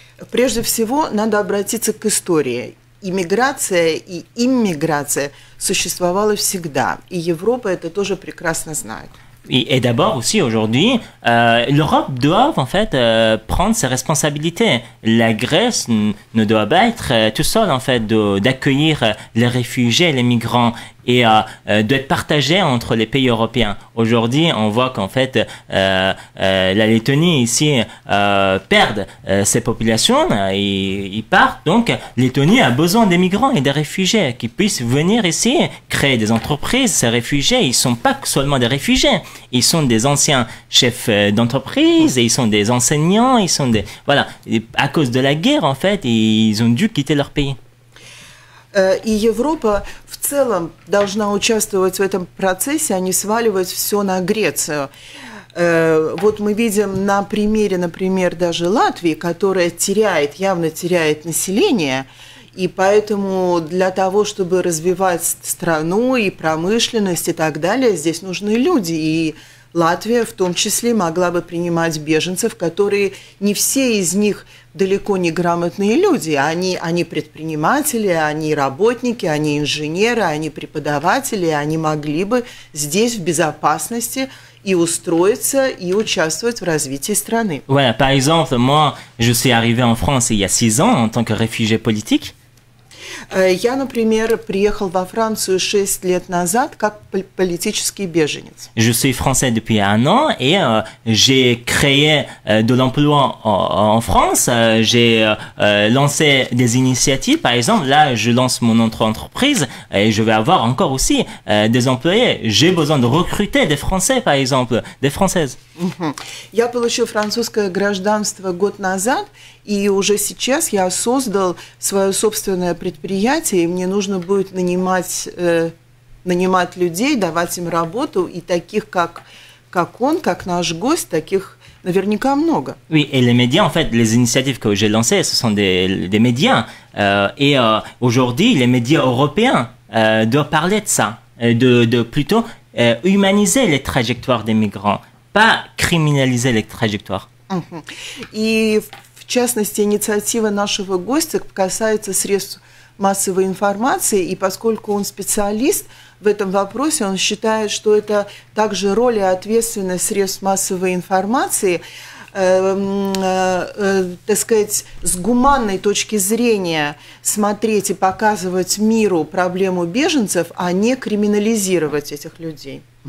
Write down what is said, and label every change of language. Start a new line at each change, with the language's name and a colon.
Russian: Прежде всего, надо обратиться к истории. Иммиграция и иммиграция существовала всегда, и Европа это тоже прекрасно знает.
French: Et d'abord aussi aujourd'hui, l'Europe doit en fait prendre ses responsabilités. La Grèce ne doit pas être tout seule en fait d'accueillir les réfugiés, les migrants et d'être partagée entre les pays européens. Aujourd'hui, on voit qu'en fait la Lettonie ici perd ses populations, ils partent. Donc, Lettonie a besoin des migrants et des réfugiés qui puissent venir ici créer des entreprises. Ces réfugiés, ils sont pas seulement des réfugiés. Ils sont des anciens chefs d'entreprise, ils sont des enseignants, ils sont des voilà. À cause de la guerre, en fait, ils ont dû quitter leur pays.
Russian: И Европа в целом должна участвовать в этом процессе, а не сваливать все на Грецию. Вот мы видим на примере, например, даже Латвии, которая теряет, явно теряет население, и поэтому для того, чтобы развивать страну и промышленность и так далее, здесь нужны люди, и Латвия в том числе могла бы принимать беженцев, которые не все из них далеко не грамотные люди. Они предприниматели, они работники, они инженеры, они преподаватели. Они могли бы здесь в безопасности и устроиться, и участвовать в развитии страны.
French: Voilà, par exemple, moi, je suis arrivé en France il y a 6 ans en tant que réfugié politique.
Russian: Я, например, приехал во Францию 6 лет назад как политический беженец.
French: Je suis français depuis un an et j'ai créé de l'emploi en France. J'ai lancé des initiatives. Par exemple, là, je lance mon entreprise et je vais avoir encore aussi des employés. J'ai besoin de recruter des Français, par exemple, des Françaises.
Russian: Я получил французское гражданство год назад, и уже сейчас я создал свое собственное предприятие, и мне нужно будет нанимать людей, давать им работу, и таких, как он, как наш гость, таких наверняка много.
French: Oui, et les médias, en fait, les initiatives que j'ai lancées, ce sont des médias, et aujourd'hui, les médias européens doivent parler de ça, de plutôt humaniser les trajectoires des migrants. Pas criminaliser les trajectoires.
Russian: И в частности, инициатива нашего гостя касается средств массовой информации, и поскольку он специалист в этом вопросе, он считает, что это также роль и ответственность средств массовой информации, так сказать, с гуманной точки зрения смотреть и показывать миру проблему беженцев, а не криминализировать этих людей.